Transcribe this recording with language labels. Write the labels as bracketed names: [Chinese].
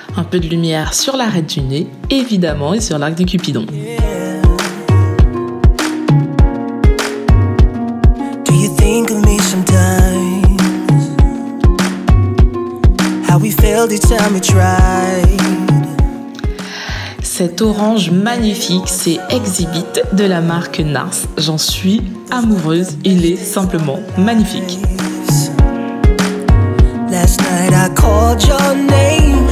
[French] Peu de lumière sur l'arête du nez, évidemment, et sur l'arc du Cupidon. [English] Do you think of me sometimes? How we failed each time we tried. [French] Cet orange magnifique, c'est Exhibit de la marque Nars. J'en suis amoureuse, il est simplement magnifique. [English] Last night I called your name.